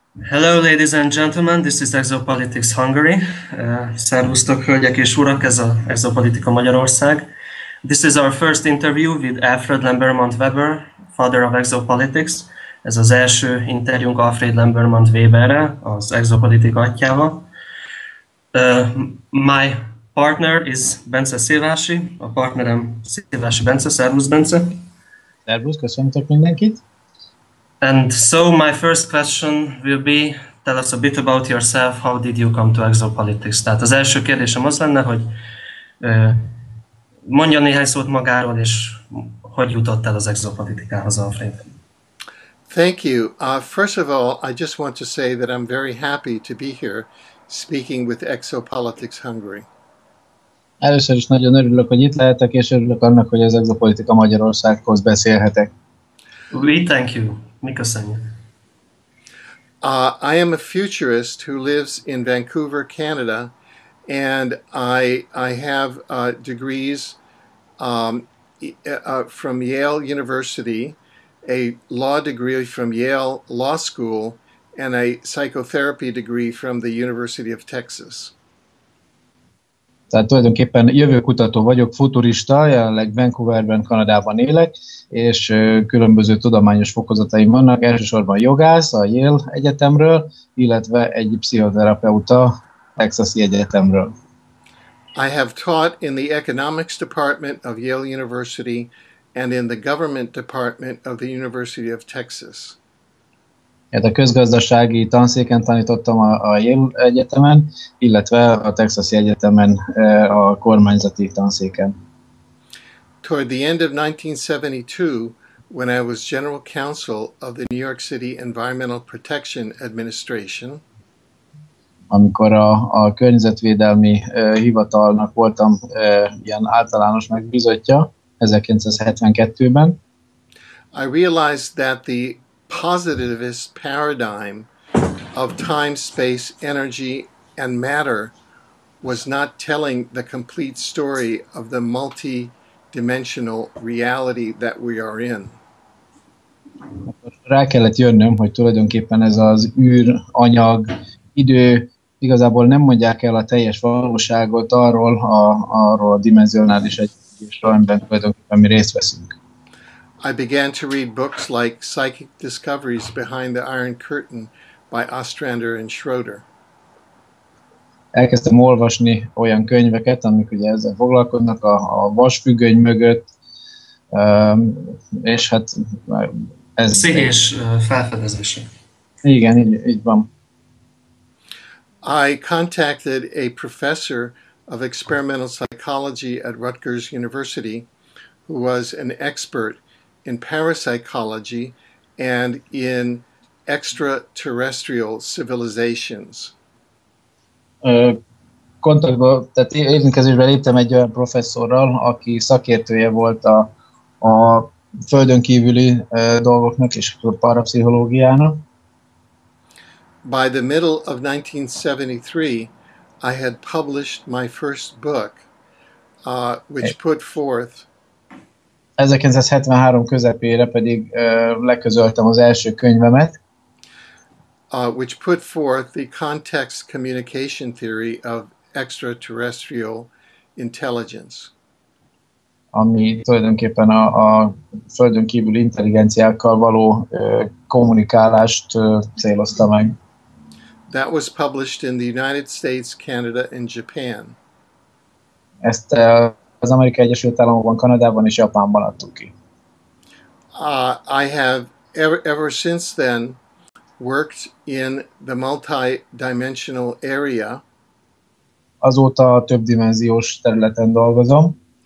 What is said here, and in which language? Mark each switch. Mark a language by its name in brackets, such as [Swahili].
[English] Hello, ladies and gentlemen, this is Exopolitics Hungary. [Hungarian] Szervusztok, hölgyek és urak, ez az Exopolitika Magyarország. [English] This is our first interview with Alfred Lambermont Weber, father of Exopolitics. [Hungarian] Ez az első interjúnk Alfred Lambermont Weberre, az Exopolitika atyával. [English] My partner is Bence Szilvási, [Hungarian] a partnerem Szilvási Bence, szervusz Bence. Szervusz, köszöntök mindenkit. [English] And so my first question will be, tell us a bit about yourself, how did you come to exopolitics? [Hungarian] Tehát az első kérdésem az lenne, hogy mondja néhány szót magáról, és hogy jutott el az exopolitikához, Alfred? [English] Thank you. First of all, I just want to say that I'm very happy to be here speaking with Exopolitics Hungary. [Hungarian] Először is nagyon örülök, hogy itt lehetek, és örülök annak, hogy az exopolitika Magyarországhoz beszélhetek. [English] We thank you. [Hungarian] Mi köszönjük. [English] I am a futurist who lives in Vancouver, Canada, and I have degrees from Yale University, a law degree from Yale Law School, and a psychotherapy degree from the University of Texas. [Hungarian] Tehát tulajdonképpen jövőkutató vagyok, futurista, jelenleg Vancouverben, Kanadában élek, és különböző tudományos fokozataim vannak, elsősorban jogász a Yale Egyetemről, illetve egy pszichoterapeuta Texasi Egyetemről. [English] I have taught in the economics department of Yale University and in the government department of the University of Texas. [Hungarian] Hát a közgazdasági tanszéken tanítottam a Yale Egyetemen, illetve a Texasi Egyetemen a kormányzati tanszéken. [English] Toward the end of 1972, when I was general counsel of the New York City Environmental Protection Administration, [Hungarian] amikor a környezetvédelmi hivatalnak voltam ilyen általános megbízottja 1972-ben, [English] I realized that the positivist paradigm of time, space, energy, and matter was not telling the complete story of the multi-dimensional reality that we are in. [Hungarian] Rá kellett jönnöm, hogy tulajdonképpen ez az űr, anyag, idő igazából nem mondják el a teljes valóságot arról arról a dimenzionális egységről, amiben tulajdonképpen mi részt veszünk. [English] I began to read books like Psychic Discoveries Behind the Iron Curtain by Ostrander and Schroeder. [Hungarian] Elkezdtem olvasni olyan könyveket, amik ugye ezzel foglalkoznak, a vasfüggöny mögött, és hát ez... Pszichés felfedezése. Igen, így van. [English] I contacted a professor of experimental psychology at Rutgers University, who was an expert in parapsychology and in extraterrestrial civilizations. [Hungarian] Kontaktba, tehát érintkezésbe léptem egy olyan professzorral, aki szakértője volt a földön kívüli dolgoknak és a parapszichológiának. [English] By the middle of 1973, I had published my first book, which put forth [Hungarian] 1973 közepére pedig leközöltem az első könyvemet, [English] which put forth the context communication theory of extraterrestrial intelligence. [Hungarian] Ami tulajdonképpen a földön kívüli intelligenciákkal való kommunikálást célozta meg. [English] That was published in the United States, Canada and Japan. [Hungarian] Ezt az Amerikai Egyesült Államokban, Kanadában és Japánban adtuk ki. [English] I have ever since then worked in the multidimensional area. [Hungarian] Azóta több dimenziós területen dolgozom.